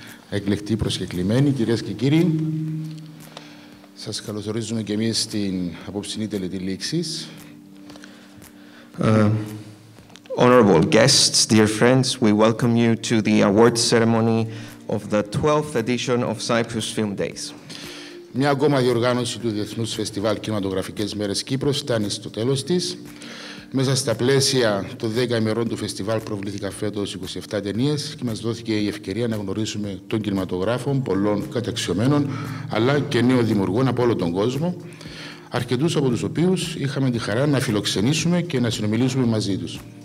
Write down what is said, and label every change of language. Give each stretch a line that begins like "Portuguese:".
Greek: Εκλεκτοί προσκεκλημένοι, κυρίες και κύριοι, σας καλωσορίζουμε και εμείς στην απόψινή τελετή λήξης.
English: Honorable guests, dear friends, we welcome you to the award ceremony of the 12th edition of Cyprus Film Days.
Greek: Μια ακόμα διοργάνωση του Διεθνούς Φεστιβάλ Κινηματογραφικές Μέρες Κύπρος φτάνει στο τέλος της. Μέσα στα πλαίσια των 10 ημερών του φεστιβάλ προβλήθηκαν φέτος 27 ταινίες και μας δόθηκε η ευκαιρία να γνωρίσουμε τον κινηματογράφο πολλών καταξιωμένων αλλά και νέων δημιουργών από όλο τον κόσμο, αρκετούς από τους οποίους είχαμε τη χαρά να φιλοξενήσουμε και να συνομιλήσουμε μαζί τους.